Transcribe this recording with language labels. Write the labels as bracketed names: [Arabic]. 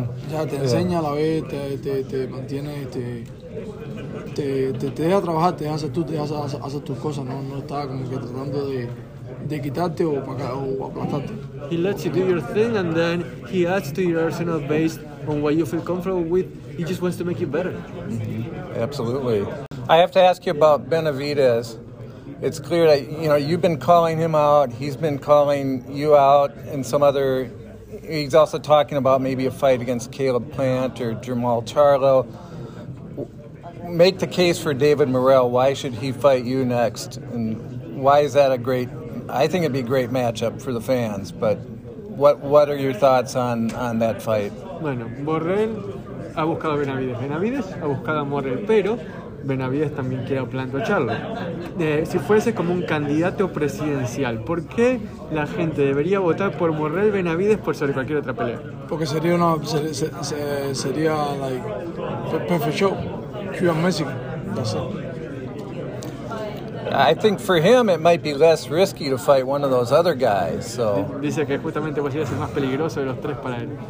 [Spanish] Ya, te enseña a la vez, te mantiene, te deja trabajar, te hace tus cosas, ¿no? No está como que tratando de quitarte o aplastarte. [English] He lets you do your thing and then he adds to your arsenal based on what you feel comfortable with. He just wants to make you better. Mm-hmm. Absolutely. I have to ask you about Benavidez. It's clear that, you know, you've been calling him out, he's been calling you out, and some other, he's also talking about maybe a fight against Caleb Plant or Jermall Charlo. Make the case for David Morrell. Why should he fight you next? And why is that a great, I think it'd be a great matchup for the fans, but what are your thoughts on that fight? [Spanish] Bueno, Morrell ha buscado Benavidez. Benavidez ha buscado a Morrell, pero... Benavidez también quiere plantear Charlo. Si fuese como un candidato presidencial, ¿por qué la gente debería votar por Morrell Benavidez por sobre cualquier otra pelea? Porque sería una sería [English] like perfect show, Cuban Mexico. That's it. I think for him it might be less risky to fight one of those other guys. So [Spanish] dice que justamente podría ser más peligroso de los tres para él.